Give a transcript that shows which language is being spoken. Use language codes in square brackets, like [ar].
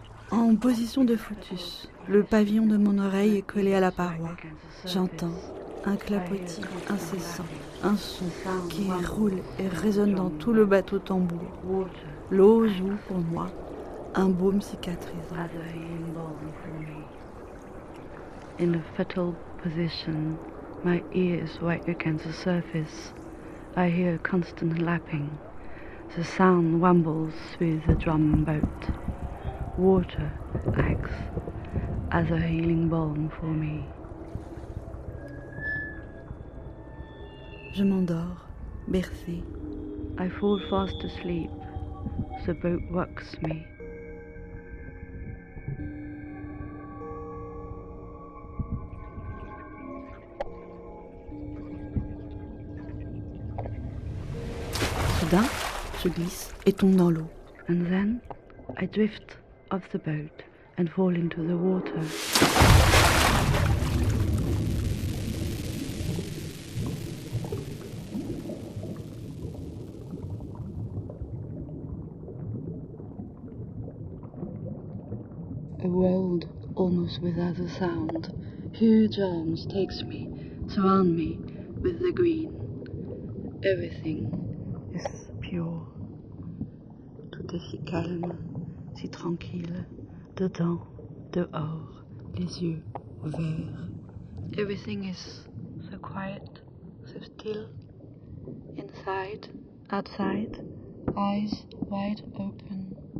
[fr] En position de foetus, le pavillon de mon oreille est collé à la paroi. J'entends un clapotis incessant, un son qui roule et résonne dans tout le bateau tambour. L'eau joue pour moi un baume cicatrisant. [en] In a fetal position, my ear is right against the surface. I hear a constant lapping. The sound rumbles through the drum boat. Water acts as a healing balm for me. [fr] Je m'endors, bercée. [en] I fall fast asleep. The boat rocks me. [fr] Soudain, je glisse et tombe dans l'eau. [en] And then, I drift off the boat and fall into the water. A world almost without a sound. Huge arms takes me, surround me with the green. Everything is pure. [fr] Tout est si calme, si tranquille. Dedans, dehors, les yeux ouverts. [en] Everything is so quiet, so still. Inside, outside, eyes wide open.